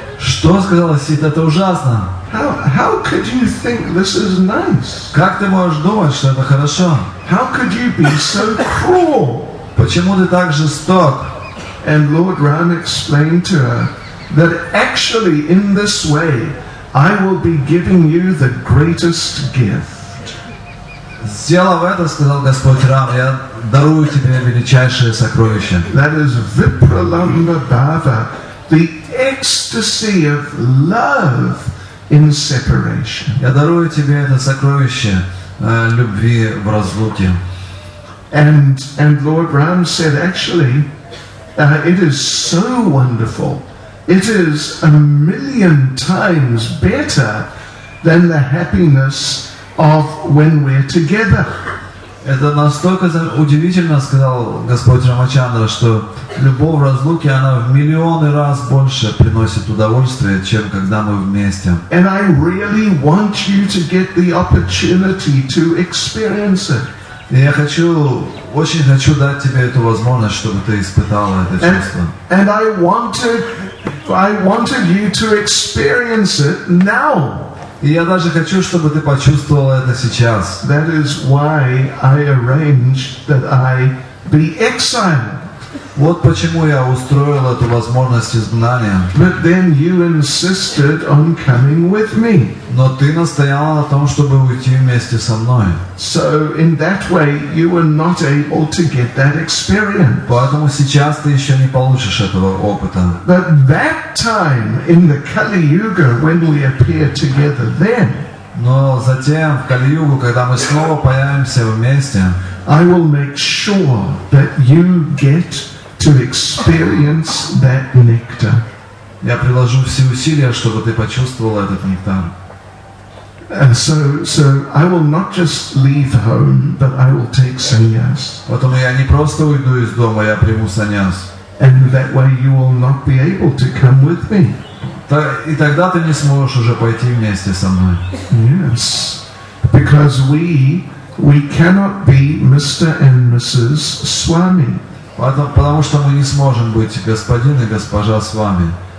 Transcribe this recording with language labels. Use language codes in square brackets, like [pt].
[ru] Что сказала Сита? Это ужасно. [en] How could you think this is nice? [ru] Как ты можешь думать, что это хорошо? [en] How could you be so cruel? [ru] Почему ты так жесток? [en] And Lord Ram explained to her that actually in this way I will be giving you the greatest gift. [ru] Сделав это, сказал Господь Рам, я дарую тебе величайшее сокровище. [en] That is Vipralamba Bhava, the ecstasy of love in separation. [ru] Я дарую тебе это сокровище любви в разлуке. [en] And Lord Ram said, actually, it is so wonderful. It is a million times better than the happiness of when we're together. [ru] Это настолько удивительно, сказал Господь Рамачандра, что любовь в разлуке, она в миллионы раз больше приносит удовольствие, чем когда мы вместе. [en] And I really want you to get the opportunity to experience it. [ru] Я хочу, очень хочу дать тебе эту возможность, чтобы ты испытала это чувство. [en] And I wanted you to experience it now. [ru] И я даже хочу, чтобы ты почувствовала это сейчас. [en] That is why I arranged that I be exiled. [ru] Вот почему я устроил эту возможность изгнания. [en] But then you insisted on coming with me. [ru] Но ты настояла на том, чтобы уйти вместе со мной. [en] So in that way you were not able to get that experience. [ru] Поэтому сейчас ты еще не получишь этого опыта. [en] But that time in the Kali Yuga when we appeared together then. [ru] Но затем в Кали-Югу, когда мы снова появимся вместе, [en] I will make sure that you get to experience that nectar. [ru] Я приложу все усилия, чтобы ты почувствовал этот нектар. [en] And so I will not just leave home, but I will take sannyas. [ru] Потому я не просто уйду из дома, я приму сannyas. [en] And that way you will not be able to come with me. [ru] И тогда ты не сможешь уже пойти вместе со мной. [en] Yes, because we cannot be Mr. and Mrs. Swami. [ru] Потому что мы не сможем быть господин и госпожа Свами.